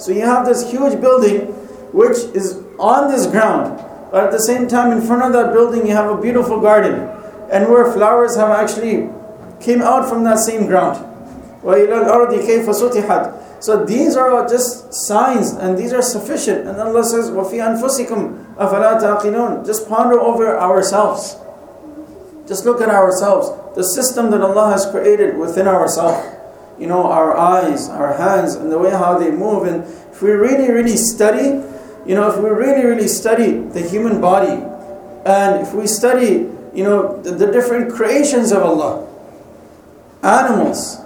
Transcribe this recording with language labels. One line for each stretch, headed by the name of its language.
English: So you have this huge building which is on this ground, but at the same time in front of that building you have a beautiful garden. And where flowers have actually came out from that same ground.
Arabic: وَإِلَى الْأَرْضِ كَيْفَ سُطِحَتْ.
English: So these are all just signs, and these are sufficient. And Allah says,
Arabic: وَفِي أَنفُسِكُمْ أَفَلَا تَعْقِلُونَ.
English: Just ponder over ourselves. Just look at ourselves. The system that Allah has created within ourselves. You know, our eyes, our hands, and the way how they move. And if we really, really study, you know, if we really, really study the human body, and if we study, you know, the different creations of Allah. Animals.